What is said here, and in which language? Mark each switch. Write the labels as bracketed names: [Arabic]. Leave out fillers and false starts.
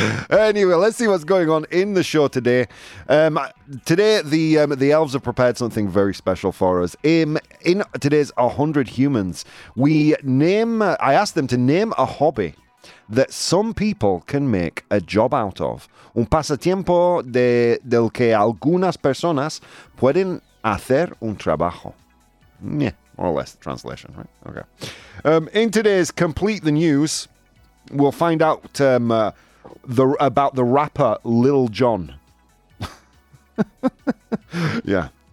[English] Anyway, let's see what's going on in the show today. Today, the elves have prepared something very special for us. In today's 100 humans, I asked them to name a hobby that some people can make a job out of. [Spanish] Un pasatiempo del que algunas personas pueden hacer un trabajo. [English] Yeah, more or less the translation, right? Okay. In today's Complete the News, we'll find out... about the rapper Lil Jon. Yeah.